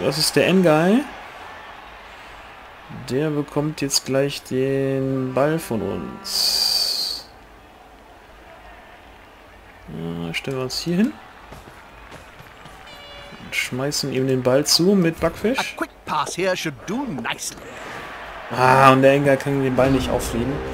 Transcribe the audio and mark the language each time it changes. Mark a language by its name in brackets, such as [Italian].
[German] Das ist der N-Guy. Der bekommt jetzt gleich den Ball von uns. Ja, stellen wir uns hier hin. Und schmeißen ihm den Ball zu mit Bugfish. [English] A quick pass here should do nicely. [German] Ah, und der N-Guy kann den Ball nicht aufheben.